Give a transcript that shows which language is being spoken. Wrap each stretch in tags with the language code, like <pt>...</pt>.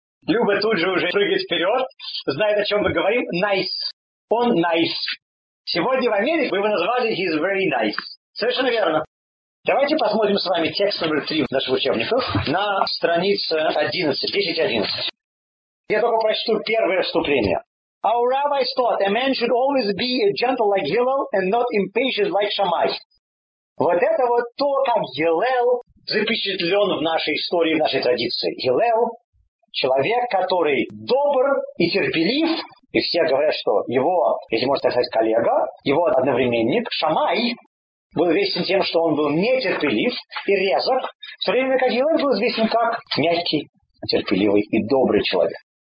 <ru>Люба тут же уже прыгает вперед, знает, о чем мы говорим. Nice. Он nice. Сегодня в Америке вы его назвали</ru> <en>he's very nice.</en> <ru>Совершенно верно. Давайте посмотрим с вами текст номер 3 наших учебников на странице 11, 10-11. Я только прочту первое вступление.</ru> <en>Our rabbis thought a man should always be gentle like Hillel and not impatient like Shammai.</en> <ru>Вот это вот то, как Гилел запечатлен в нашей истории, в нашей традиции. Гилел – человек, который добр и терпелив, и все говорят, что его, если можно так сказать, коллега, его одновременник Шамай был известен тем, что он был нетерпелив и резок, в то время как Гилел был известен как мягкий, терпеливый и добрый человек.</ru>